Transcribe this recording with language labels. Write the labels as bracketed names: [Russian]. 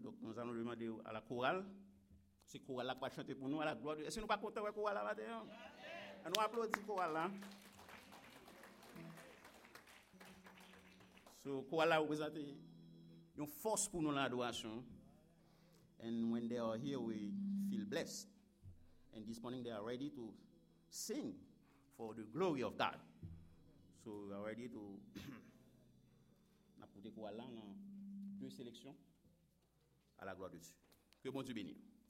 [French] Donc, nous allons demander à la chorale. C'est chorale là qui va chanter pour nous à la gloire de Dieu. Est-ce que nous ne sommes pas contents avec la chorale là-bas? Yeah. Nous applaudissons la chorale là. Ce chorale là, vous présentez une force pour nous l'adoration. [English] And when they are here, we feel blessed. And this morning, they are ready to sing for the glory of God. So we are ready to [French] apporter quoi là en deux sélections à la gloire de Dieu. Que bon Dieu bénisse.